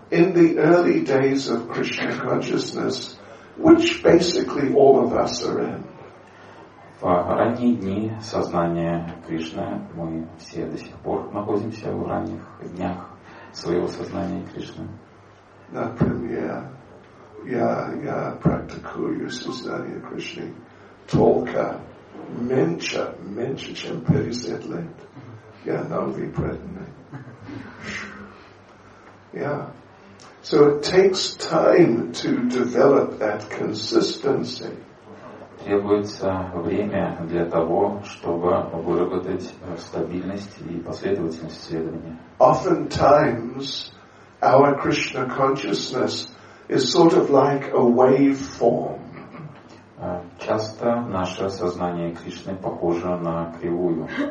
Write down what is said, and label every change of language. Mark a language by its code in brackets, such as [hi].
[en] In the early days of Krishna consciousness, which basically all of us are in. [ru] В ранние дни сознания Кришны мы все до сих пор находимся в ранних днях своего сознания Кришны. Например, я практикую сознание Кришны только меньше, чем 50 лет. Я новый преданный. [en] So it takes time to develop that consistency. [ru] Требуется время для того, чтобы выработать стабильность и последовательность следования. [en] Oftentimes, our Krishna consciousness is sort of like a waveform. [ru] Часто наше сознание Кришны похоже на кривую.